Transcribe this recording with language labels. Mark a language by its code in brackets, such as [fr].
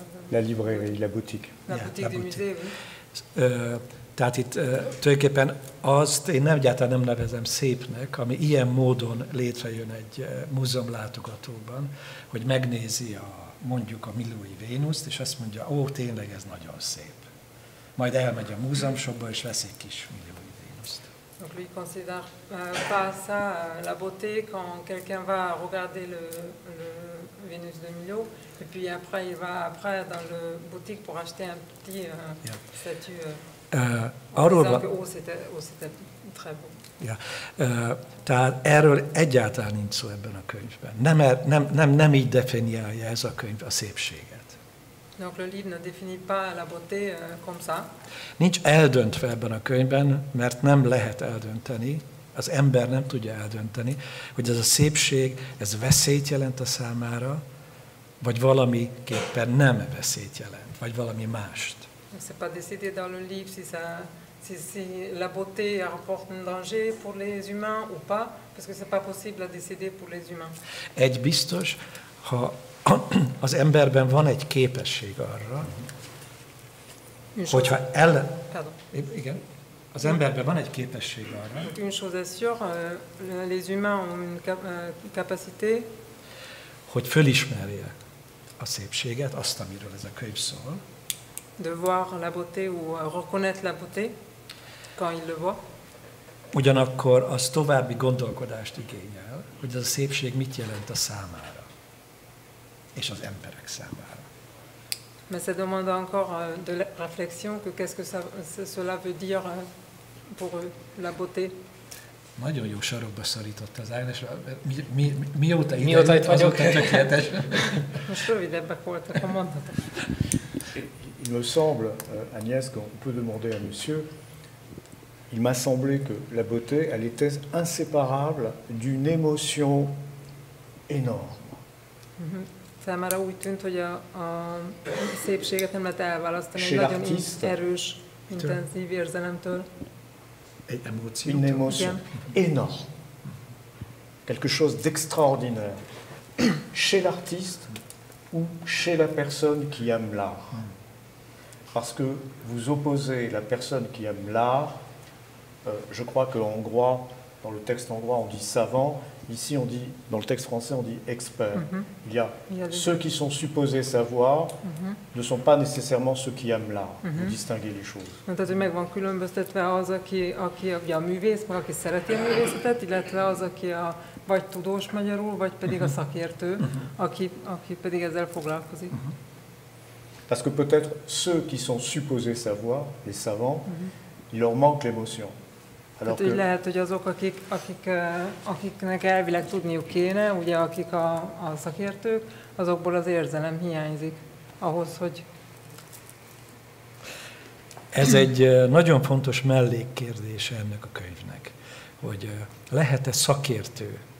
[fr] la librairie, la boutique. La boutique du musée, oui. [hu] Tehát itt tulajdonképpen azt én egyáltalán nem nevezem szépnek, ami ilyen módon létrejön egy múzeum látogatóban, hogy megnézi mondjuk a Milói Vénuszt, és azt mondja, ó, tényleg ez nagyon szép. Majd elmegy a múzeum shopba, és vesz egy kis Milói. [fr] Donc lui ne considère pas ça, la beauté, quand quelqu'un va regarder le Vénus de Milo, et puis après il va après dans le boutique pour acheter un petit statue. C'était très beau. Ja. [hu] Tehát erről egyáltalán nincs szó ebben a könyvben. Nem így definiálja ez a könyv a szépséget. [fr] Donc le livre ne définit pas la beauté comme ça. [hu] Nincs eldöntve ebben a könyvben, mert nem lehet eldönteni, az ember nem tudja eldönteni, hogy ez a szépség, ez veszélyt jelent a számára, vagy valamiképpen nem veszélyt jelent, vagy valami mást. [fr] C'est pas décidé dans le livre si la beauté apporte un danger pour les humains ou pas, parce que c'est pas possible à décider pour les humains. [hu] Egy biztos, ha az emberben van egy képesség arra, hogyha igen, az emberben van egy képesség arra. [fr] Une chose est sûre, les humains ont une capacité. [hu] Hogy fölismerje a szépséget, azt, amiről ez a könyv szól. [fr] De voir la beauté ou reconnaître la beauté quand il le voit. [hu] Ugyanakkor az további gondolkodást igényel, hogy ez a szépség mit jelent a számára. és az emberek számára. [fr] Mais ça demande encore de la réflexion que qu'est-ce que ça, cela veut dire pour eux, la beauté. [hu] Nagyon jó sarokba szorított az Ágnes, mióta mi itt vagyok? Azóta tökéletes. Most rövidebbek voltak a mondatok. [fr] Il me semble, Agnès, qu'on peut demander à monsieur, il m'a semblé que la beauté, elle était inséparable d'une émotion énorme. [hu] Számára úgy tűnt, hogy a szépséget nem lehet elválasztani egy nagyon erős, intenzív érzelemtől. Egy emóció. [fr] Une émotion énorme. Quelque chose d'extraordinaire. Chez l'artiste ou chez la personne qui aime l'art. Parce que vous opposez la personne qui aime l'art, je crois que en hongrois, dans le texte hongrois, on dit savant, ici on dit, dans le texte français, on dit expert. Mm-hmm. Il y a ceux qui sont supposés savoir mm-hmm. ne sont pas nécessairement ceux qui aiment l'art. Mm-hmm. Vous distinguez les choses. [hu] Tehát, hogy meg van különböztetve az, aki a művész, vagy aki szereti a művészetet, illetve az, aki a vagy tudós magyarul, vagy pedig a szakértő, aki pedig ezzel foglalkozik. Mm-hmm. [fr] Parce que peut-être ceux qui sont supposés savoir, les savants, mm-hmm. il leur manque l'émotion. Alors hát, que... [hu] lehet, hogy azok, akiknek elvileg tudniuk kéne, ugye, akik a szakértők, azokból az érzelem hiányzik ahhoz, hogy... Ez egy nagyon fontos mellékkérdése ennek a könyvnek, hogy lehet-e szakértő...